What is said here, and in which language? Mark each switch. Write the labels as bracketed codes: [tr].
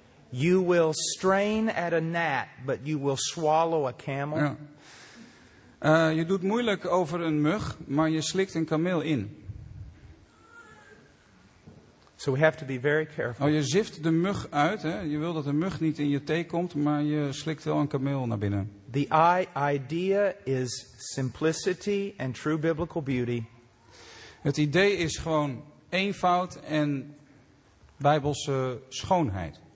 [en] You will strain at a gnat, but you will swallow a camel. [nl] Ja. Je doet moeilijk over een mug, maar je slikt een kameel in. [en] So we have to be very careful. [nl] Je zift de mug uit, hè? Je wil dat de mug niet in je thee komt, maar je slikt wel een kameel naar binnen. [en] The idea is simplicity and true biblical beauty. [nl] Het idee is gewoon eenvoud en bijbelse schoonheid.